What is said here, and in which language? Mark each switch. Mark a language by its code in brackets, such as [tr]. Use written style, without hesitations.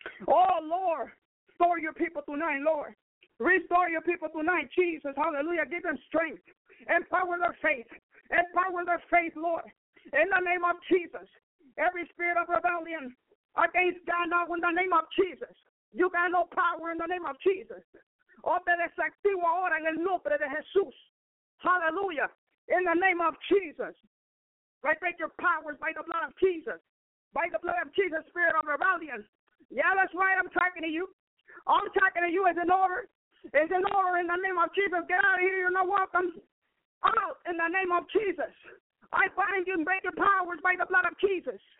[en] Oh, Lord, restore your people tonight, Lord. Restore your people tonight, Jesus. Hallelujah. Give them strength. Empower their faith. Empower their faith, Lord. In the name of Jesus, every spirit of rebellion against God now in the name of Jesus. You got no power in the name of Jesus. [es] Ope desactivo ahora en el nombre de Jesús. [en] Hallelujah. In the name of Jesus. I break your powers by the blood of Jesus. By the blood of Jesus, spirit of rebellion. Yeah, that's right. I'm talking to you. I'm talking to you as an order. It's an order in the name of Jesus. Get out of here. You're not welcome. Out in the name of Jesus. I bind you and break your powers by the blood of Jesus.